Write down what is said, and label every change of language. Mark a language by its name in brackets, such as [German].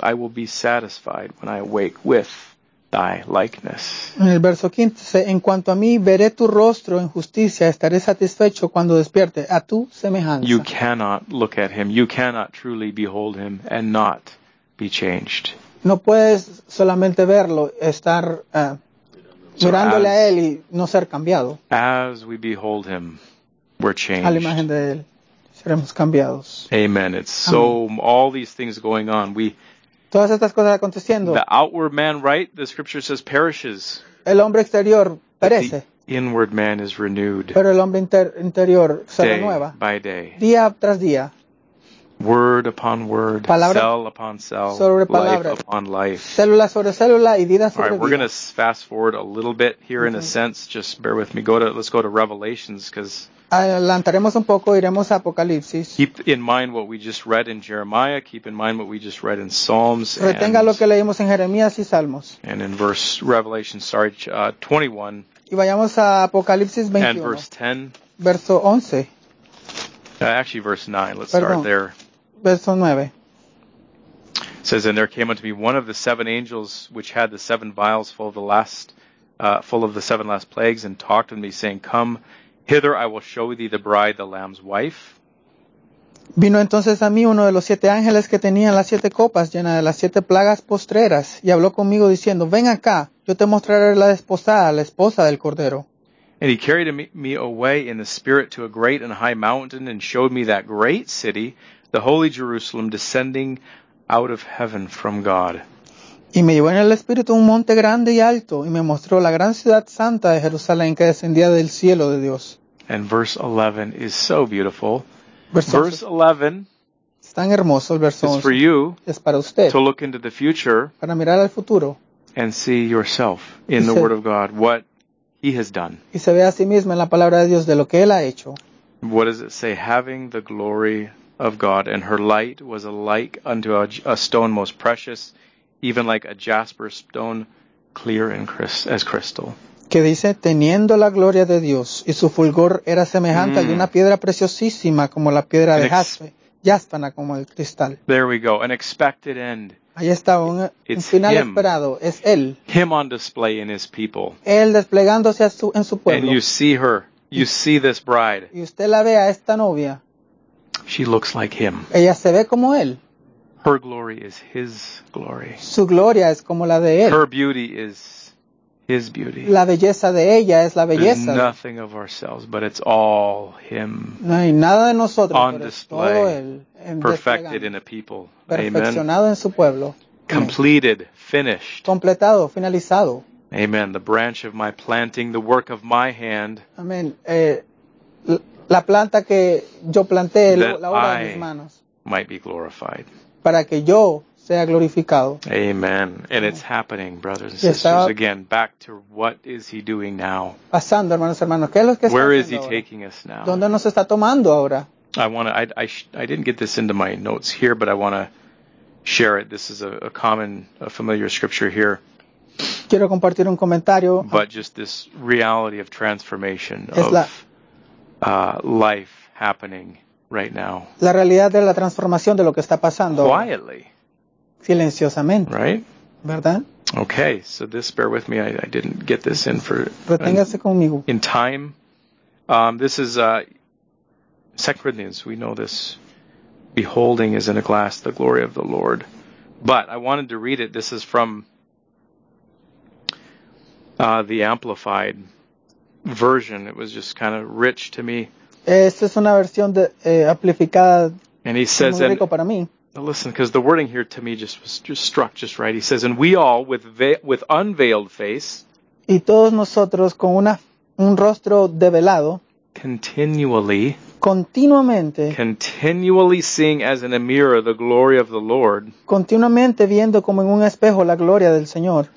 [English] I will be satisfied when I awake with thy likeness." [Spanish] En el verso 15, "En cuanto a mí, veré tu rostro en justicia. Estaré satisfecho cuando despierte a tu semejanza." [English] You cannot look at him. You cannot truly behold him and not be changed. [Spanish] No puedes solamente verlo, estar mirándole a él y no ser cambiado. [English] As we behold him, we're changed. [Spanish] A la imagen de él, seremos cambiados. [English] Amen. It's so, amen. All these things going on. [Spanish] Todas estas cosas aconteciendo. [English] The outward man, right? The scripture says perishes. [Spanish] El hombre exterior perece. [English] But the inward man is renewed. [Spanish] Pero el hombre interior se renueva. [English] Day by day. [Spanish] Día tras día. [English] Word upon word, [Spanish] palabra, [English] cell upon cell, [Spanish] sobre palabra, [English] life upon life. [Spanish] Célula sobre célula y vida sobre vida. [English] All right, we're going to fast forward a little bit here in a sense. Just bear with me. Let's go to Revelations, because [Spanish] adelantaremos un poco, iremos a Apocalipsis. [English] Keep in mind what we just read in Jeremiah. Keep in mind what we just read in Psalms. [Spanish] Retenga lo que leímos en Jeremías y Salmos. [English] And in verse Revelation, 21. [Spanish] Y vayamos a Apocalipsis 21. [English] And verse 10. [Spanish] Verso 11. [English] Actually, verse 9. Let's [Spanish] Perdón. [English] Start there. [Spanish] Verso 9. [English] It says, "And there came unto me one of the seven angels, which had the seven vials full of the last, full of the seven last plagues, and talked unto me, saying, Come hither, I will show thee the bride, the Lamb's wife." [Spanish] Vino entonces a mí uno de los siete ángeles que tenía las siete copas llenas de las siete plagas postreras, y habló conmigo diciendo, "Ven acá, yo te mostraré la desposada, la esposa del Cordero." [English] And he carried me away in the spirit to a great and high mountain, and showed me that great city, the holy Jerusalem, descending out of heaven from God. [Spanish] Y me llevó en el espíritu un monte grande y alto, y me mostró la gran ciudad santa de Jerusalén que descendía del cielo de Dios. [English] And verse 11 is so beautiful. Verse 11. [Spanish] Es tan hermoso el verso 11. [English] It's for you. [Spanish] Es para usted. [English] To look into the future. [Spanish] Para mirar al futuro. [English] And see yourself in the Word of God. What he has done. [Spanish] Y se ve a sí mismo en la palabra de Dios de lo que él ha hecho. [English] What does it say? Having the glory of God, and her light was like unto a stone most precious, even like a jasper stone, clear and as crystal. [Spanish] Que dice, teniendo la gloria de Dios, y su fulgor era semejante a una piedra preciosísima como la piedra de jaspe, jaspana como el cristal. [English] There we go. An expected end. [Spanish] Ahí está un final [English] him, [Spanish] esperado. Es él. [English] Him on display in his people. [Spanish] Él desplegándose en su pueblo. [English] And you see her. You see this bride. [Spanish] Y usted la ve a esta novia. [English] She looks like him. [Spanish] Ella se ve como él. [English] Her glory is his glory. [Spanish] Su gloria es como la de él. [English] Her beauty is his beauty. [Spanish] La belleza de ella es la belleza. [English] There's nothing of ourselves, but it's all him. [Spanish] No hay nada de nosotros, [English] on display, perfected in a people. [Spanish] Perfeccionado en su pueblo. [English] Completed, finished. [Spanish] Completado, finalizado. [English] Amen. The branch of my planting, the work of my hand. Amen. [Spanish] La planta que yo planté, la obra de mis manos. [English] Might be glorified. [Spanish] Para que yo sea glorificado. [English] Amen. And it's happening, brothers and sisters. Again, back to what is he doing now? [Spanish] Pasando, hermanos, hermanos. ¿Qué es lo que está [English] Where [Spanish] haciendo [English] is he [Spanish] ahora? [English] Taking us now? [Spanish] ¿Dónde nos está tomando ahora? [English] I didn't get this into my notes here, but I want to share it. This is a familiar scripture here. [Spanish] Quiero compartir un comentario. [English] But just this reality of transformation of life happening right now. [Spanish] La realidad de la transformación de lo que está pasando. [English] Quietly. [Spanish] Silenciosamente. [English] Right? [Spanish] ¿Verdad? [English] Okay, so this, bear with me, I didn't get this in for... [Spanish] Reténgase conmigo. [English] In time. This is 2 Corinthians, we know this. Beholding as in a glass the glory of the Lord. But I wanted to read it. This is from... the Amplified version. It was just kind of rich to me. [Spanish] Esta es una versión de, amplificada. [English] And he says, [Spanish] muy rico [English] and, [Spanish] para mí. [English] Listen, because the wording here to me just struck just right. He says, and we all with unveiled face. [Spanish] Y todos nosotros con un rostro develado. [English] Continually. [Spanish] Continuamente. [English] Continually seeing as in a mirror the glory of the Lord. [Spanish] Continuamente viendo como en un espejo la gloria del Señor.